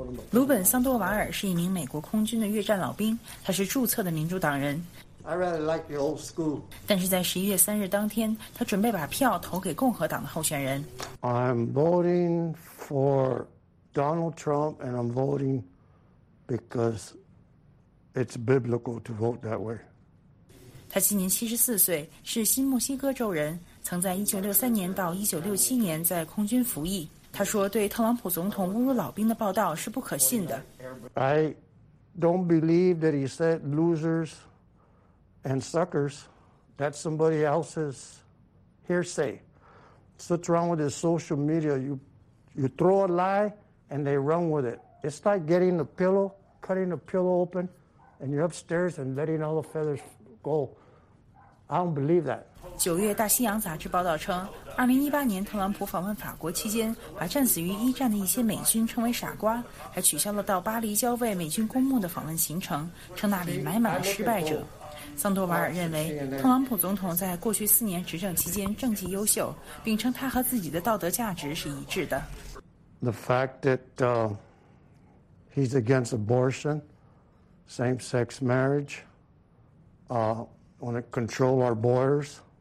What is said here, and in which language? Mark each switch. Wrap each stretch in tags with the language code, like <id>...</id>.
<zh>鲁本·桑多瓦尔是一名美国空军的越战老兵，他是注册的民主党人。</zh> <en>I really like the old school.</en> <zh>但是在11月3日当天，他准备把票投给共和党的候选人。</zh> <en>I'm voting for Donald Trump, and I'm voting because it's biblical to vote that way.</en> <zh>他今年74岁，是新墨西哥州人，曾在1963年到1967年在空军服役。他说对特朗普总统侮辱老兵的报道是不可信的。</zh> <en>I don't believe that he said losers and suckers. That's somebody else's hearsay. What's wrong with this social media? You throw a lie and they run with it. It's like getting a pillow, cutting a pillow open, and you're upstairs and letting all the feathers go. I don't believe that.</en> <zh>九月大西洋杂志报道称，2018年特朗普访问法国期间，把战死于一战的一些美军称为傻瓜，还取消了到巴黎郊外美军公墓的访问行程，称那里埋满了失败者。桑多瓦尔认为，特朗普总统在过去4年执政期间政绩优秀，并称他和自己的道德价值是一致的。</zh> <en>The fact that he's against abortion, same-sex marriage, want to control our borders.</en>